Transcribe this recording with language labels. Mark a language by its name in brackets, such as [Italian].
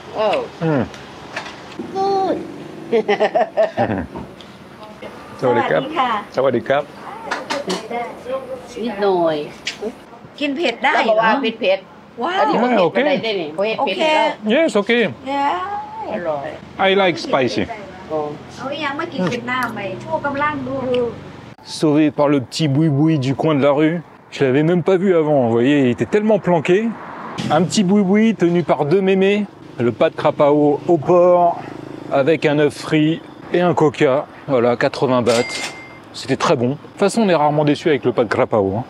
[English] Oh. Mm. Good. [Thai] สวัสดีครับ สวัสดีครับ นิดหน่อย กินเผ็ดได้ แล้วบอกว่าเผ็ดเผ็ด ว้าว อันนี้มันเผ็ดไปได้ไหม เผ็ดเผ็ดได้ [English] Yes, okay Yeah [Thai] อร่อย [English] I like spicy [Thai] เอาอย่างเมื่อกี้เผ็ดหน้าไหม ช่วยกำลังดู [French] Sauvé par le petit boui-boui du coin de la rue. Je l'avais même pas vu avant, vous voyez, il était tellement planqué. Un petit boui-boui tenu par deux mémés. Le pas de crapaud au porc avec un œuf frit et un coca. Voilà, 80 bahts. C'était très bon. De toute façon, on est rarement déçu avec le pas de crapaud. Hein.